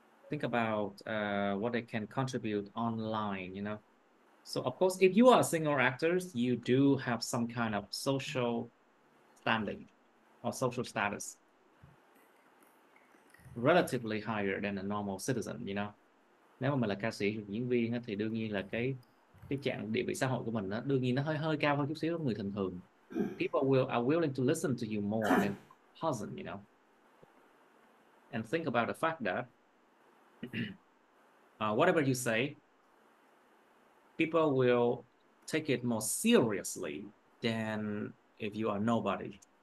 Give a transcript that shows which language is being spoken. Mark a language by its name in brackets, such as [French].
[English] Think about what they can contribute online, you know. So of course, if you are a singer or actors, you do have some kind of social standing or social status, relatively higher than a normal citizen, you know. [Vietnamese] Nếu mà mình là ca sĩ, diễn viên á, thì đương nhiên là cái trạng địa vị xã hội của mình nó đương nhiên nó hơi hơi cao hơn chút xíu người thường thường. [English] People will are willing to listen to you more than cousin, you know. And think about the fact that whatever you say, people will take it more seriously than if you are nobody.